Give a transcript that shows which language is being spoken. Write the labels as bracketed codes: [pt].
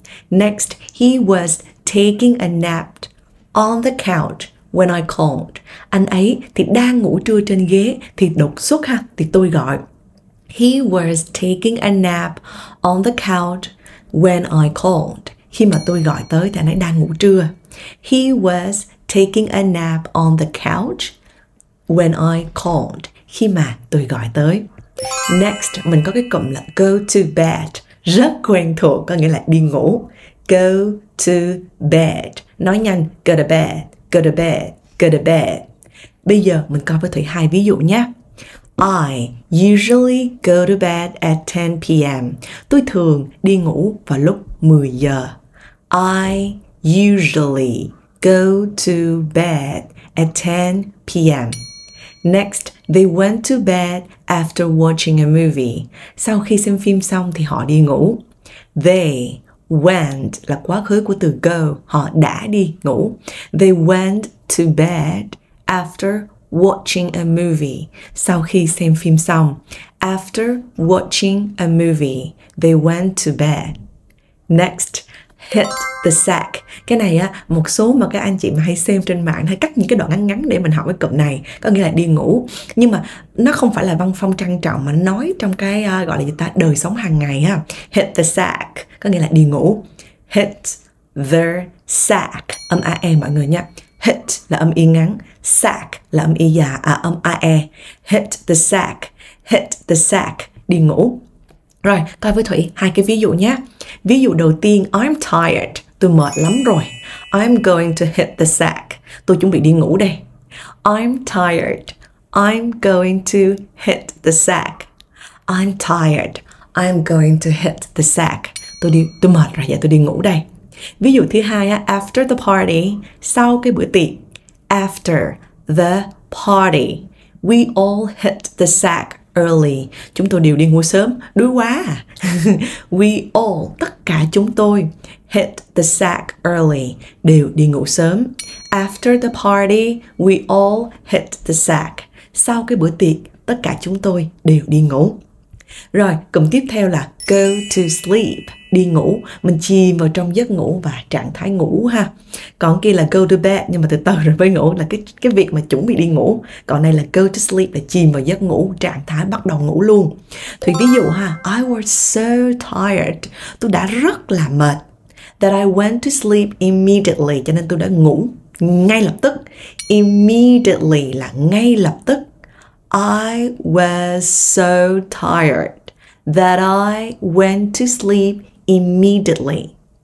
[en] Next, he was taking a nap on the couch when I called. [vi] Anh ấy thì đang ngủ trưa trên ghế, thì đột xuất ha, thì tôi gọi. [en] He was taking a nap on the couch when I called. [vi] Khi mà tôi gọi tới thì anh ấy đang ngủ trưa. [en] He was taking a nap on the couch when I called. [vi] Khi mà tôi gọi tới. Next, mình có cái cụm là go to bed. Rất quen thuộc, có nghĩa là đi ngủ. [en] Go to bed. [vi] Nói nhanh, [en] go to bed, go to bed, go to bed. [vi] Bây giờ mình coi với Thủy hai ví dụ nhé. [en] I usually go to bed at 10 p.m. [vi] Tôi thường đi ngủ vào lúc 10 giờ. [en] I usually go to bed at 10 p.m. Next, they went to bed after watching a movie. [vi] Sau khi xem phim xong thì họ đi ngủ. They went là quá khứ của từ go, họ đã đi ngủ. [en] They went to bed after watching a movie. [vi] Sau khi xem phim xong. [en] After watching a movie, they went to bed. Next, hit the sack. [vi] Cái này á, một số mà các anh chị mà hay xem trên mạng hay cắt những cái đoạn ngắn ngắn để mình học cái cụm này, có nghĩa là đi ngủ. Nhưng mà nó không phải là văn phong trang trọng mà nói trong cái gọi là gì ta, đời sống hàng ngày á. Hit the sack, có nghĩa là đi ngủ. Hit the sack, âm a e mọi người nhé. Hit là âm y ngắn, sack là âm y dài, à âm a e. [en] Hit the sack, hit the sack, [vi] đi ngủ. Rồi, coi với Thủy hai cái ví dụ nhé. Ví dụ đầu tiên, [en] I'm tired. [vi] Tôi mệt lắm rồi. [en] I'm going to hit the sack. [vi] Tôi chuẩn bị đi ngủ đây. [en] I'm tired. I'm going to hit the sack. I'm tired. I'm going to hit the sack. [vi] Tôi mệt rồi, giờ tôi đi ngủ đây. Ví dụ thứ hai, [en] after the party, [vi] sau cái bữa tiệc. [en] After the party, we all hit the sack early. [vi] Chúng tôi đều đi ngủ sớm, đuối quá. We all, tất cả chúng tôi, [en] hit the sack early, [vi] đều đi ngủ sớm. [en] After the party, we all hit the sack. [vi] Sau cái bữa tiệc, tất cả chúng tôi đều đi ngủ. Rồi, cụm tiếp theo là go to sleep, đi ngủ. Mình chìm vào trong giấc ngủ và trạng thái ngủ ha. Còn kia là go to bed, nhưng mà từ từ rồi mới ngủ, là cái việc mà chuẩn bị đi ngủ. Còn này là go to sleep, là chìm vào giấc ngủ, trạng thái bắt đầu ngủ luôn. Thì ví dụ ha, [en] I was so tired, [vi] tôi đã rất là mệt, [en] that I went to sleep immediately, [vi] cho nên tôi đã ngủ ngay lập tức. Immediately là ngay lập tức. [en] I was so tired that I went to sleep immediately.